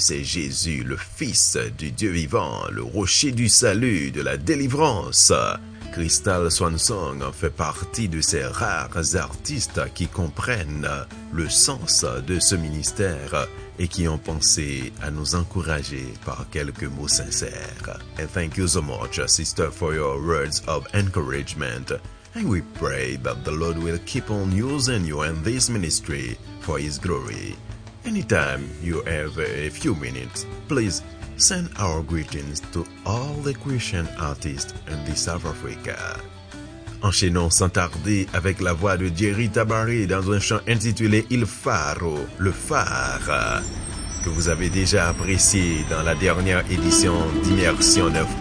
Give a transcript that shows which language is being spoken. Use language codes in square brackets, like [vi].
[fr] C'est Jésus, le Fils du Dieu vivant, le rocher du salut, de la délivrance. Crystal Swansong fait partie de ces rares artistes qui comprennent le sens de ce ministère et qui ont pensé à nous encourager par quelques mots sincères. [en] And thank you so much, sister, for your words of encouragement. And we pray that the Lord will keep on using you in this ministry for His glory. Anytime you have a few minutes, please send our greetings to all the Christian artists in the South Africa. [fr] Enchaînons sans tarder avec la voix de Jerry Tabari dans un chant intitulé Il Faro, le phare, que vous avez déjà apprécié dans la dernière édition d'Immersion 9.9.